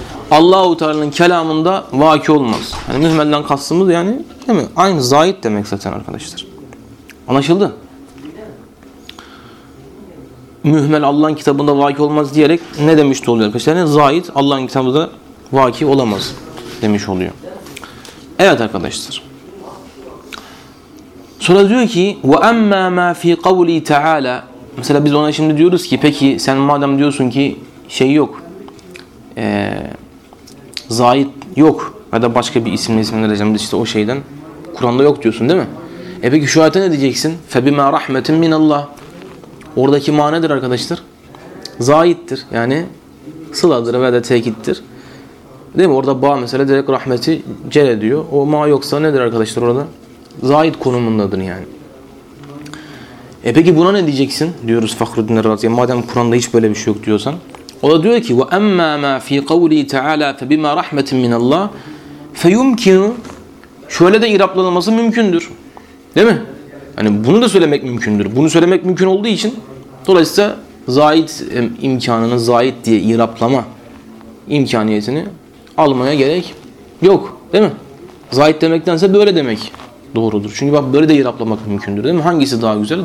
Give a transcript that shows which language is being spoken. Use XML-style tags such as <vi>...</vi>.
<tr>Allah-u Teala'nın kelamında vaki olmaz. Yani mühmelden kastımız yani, değil mi? Aynı zayid demek zaten arkadaşlar. Anlaşıldı. Mühmel Allah'ın kitabında vaki olmaz diyerek ne demiş de oluyor arkadaşlar? Yani zayid Allah'ın kitabında vaki olamaz demiş oluyor. Evet arkadaşlar. Sonra diyor ki</tr> <ar>وَأَمَّا مَا فِي قَوْلِي تَعَالَى.</ar> <tr>Mesela biz ona şimdi diyoruz ki peki sen madem diyorsun ki şey yok, zayid yok ya da başka bir isimle isimlendireceğim işte o şeyden, Kur'an'da yok diyorsun değil mi? E peki şu ayette ne diyeceksin?</tr> <ar>فَبِمَا رَحْمَةٍ مِنَ اللّٰهِ.</ar> <tr>Oradaki manedir arkadaşlar? Zayittir. Yani sıladır veya de tekittir. Değil mi? Orada ba mesela direkt rahmeti cel ediyor. O ma yoksa nedir arkadaşlar orada? Zayid konumundadır yani. E peki buna ne diyeceksin? Diyoruz Fahruddin Razi'ye. Madem Kur'an'da hiç böyle bir şey yok diyorsan. O da diyor ki</tr> <ar>وَأَمَّا مَا فِي قَوْلِي تَعَالَى فَبِمَا رَحْمَةٍ مِنَ اللّٰهِ فَيُمْكِنُ.</ar> <tr>Şöyle de iraplanılması mümkündür. Değil mi? Yani bunu da söylemek mümkündür. Bunu söylemek mümkün olduğu için dolayısıyla zayid imkanını, zayid diye iraplama imkaniyetini almaya gerek yok. Değil mi? Zayid demektense böyle demek doğrudur. Çünkü bak böyle de iraplamak mümkündür. Değil mi? Hangisi daha güzel?</tr>